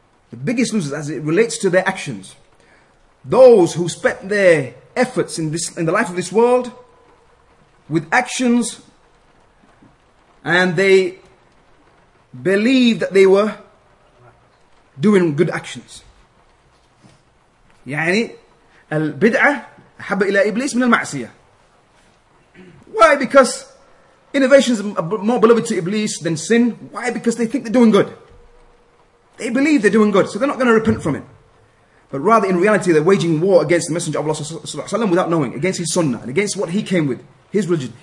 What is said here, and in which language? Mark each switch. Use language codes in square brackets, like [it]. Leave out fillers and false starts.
[en] The biggest losers as it relates to their actions. Those who spent their efforts in the life of this world with actions, and they believed that they were doing good actions. [ar] يعني البدعة أحب إلى إبليس من المعصية. [en] Why? Because innovation is more beloved to Iblis than sin. Why? Because they think they're doing good. They believe they're doing good, so they're not going to repent from it. But rather, in reality, they're waging war against the Messenger of Allah Sallallahu Alaihi Wasallam without knowing, against his sunnah, and against what he came with. His religion.